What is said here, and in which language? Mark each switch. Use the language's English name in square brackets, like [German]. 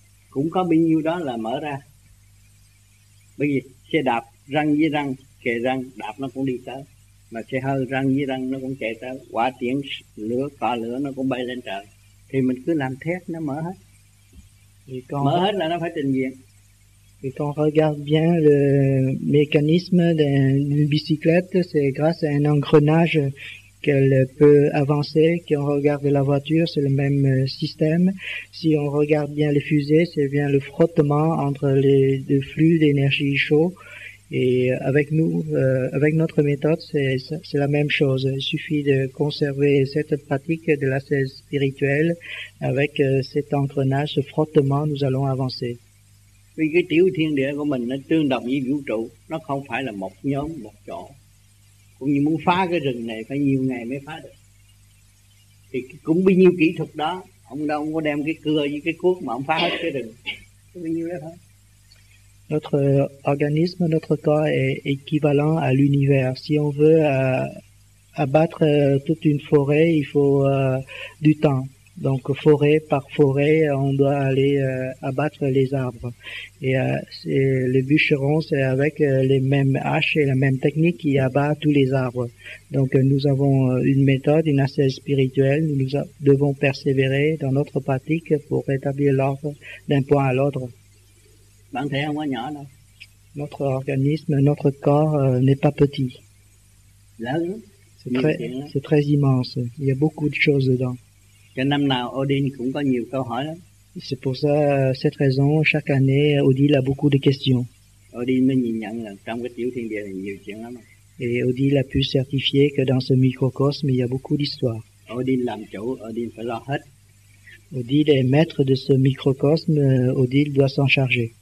[Vietnamese] Cũng có bao nhiêu đó là mở ra. Bởi vì xe đạp răng với răng, kề răng, đạp nó cũng đi tới. Mà xe hơi răng với răng nó cũng kề tới. Quả tiễn lửa, cọ lửa nó cũng bay lên trời. Thì mình cứ làm thét nó mở hết. Mở hết là nó phải trình diện. [French] Et quand on regarde bien le mécanisme d'une bicyclette, c'est grâce à un engrenage qu'elle peut avancer. Si on regarde la voiture, c'est le même système. Si on regarde bien les fusées, c'est bien le frottement entre les deux flux d'énergie chaud. Et avec nous, avec notre méthode, c'est la même chose. Il suffit de conserver cette pratique de l'ascèse spirituelle avec cet engrenage, ce frottement, nous allons avancer. [Vietnamese] Vì cái tiểu thiên địa của mình nó tương đồng với vũ trụ, nó không phải là một nhóm, một chỗ. Cũng như muốn phá cái rừng này phải nhiều ngày mới phá được. Thì cũng bao nhiêu kỹ thuật đó, ông đâu có đem cái cưa với cái cuốc mà ông phá hết cái rừng. Cũng bao nhiêu đó thôi. [French] Notre organisme, notre corps est équivalent à l'univers. Si on veut abattre toute une forêt, il faut du temps. Donc forêt par forêt, on doit aller abattre les arbres. Et le bûcheron, c'est avec les mêmes haches et la même technique qui abat tous les arbres. Donc nous avons une méthode, une ascèse spirituelle. Nous devons persévérer dans notre pratique pour rétablir l'ordre d'un point à l'autre. [Vietnamese] Bản thể không có nhỏ đâu. [French] Notre organisme, notre corps n'est pas petit. [Vietnamese] Lớn. [French] C'est très immense. Il y a beaucoup de choses dedans. [Vietnamese] Cái năm nào Odin cũng có nhiều câu hỏi lắm. [French] C'est pour ça, cette raison, chaque année, Odile a beaucoup de questions. [Vietnamese] Odin mới nhìn nhận là trong cái tiểu thiên địa này nhiều chuyện lắm. [French] Et Odile a pu certifier que dans ce microcosme, il y a beaucoup d'histoires. [Vietnamese] Odin làm chủ, Odin phải lo hết. [French] Odile est maître de ce microcosme, Odile doit s'en charger.